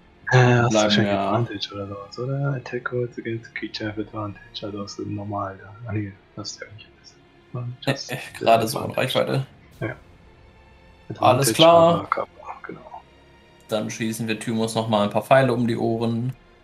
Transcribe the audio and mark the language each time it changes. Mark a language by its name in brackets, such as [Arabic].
[German] Hast du schon Advantage oder sowas, oder? [English] Attack Rolls against Creature with Advantage. [German] Also hast du normal da. Ah, nee, das ist ja nicht alles. Gerade so in Reichweite. Ja. Alles klar. Genau. Dann schießen wir Thymus nochmal ein paar Pfeile um die Ohren.